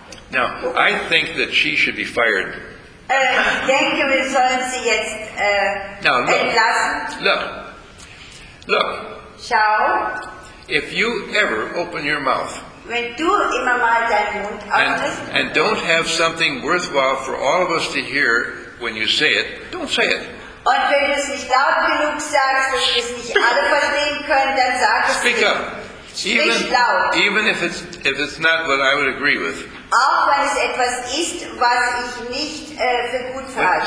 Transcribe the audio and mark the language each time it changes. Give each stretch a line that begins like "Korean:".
English: Now, I think that she should be fired.
German: Ich denke, wir sollen sie jetzt entlassen.
English: Look.
German: Schau.
English: If you ever open your mouth,
German: wenn du immer mal deinen Mund öffnest,
English: and don't have something worthwhile for all of us to hear when you say it, don't say it.
German: Und wenn du es nicht laut genug sagst und es nicht alle verstehen können, dann sag es.
English: Speak up. Even if it's not what I would agree with.
German: Auch wenn es etwas ist, was ich nicht für gut halte.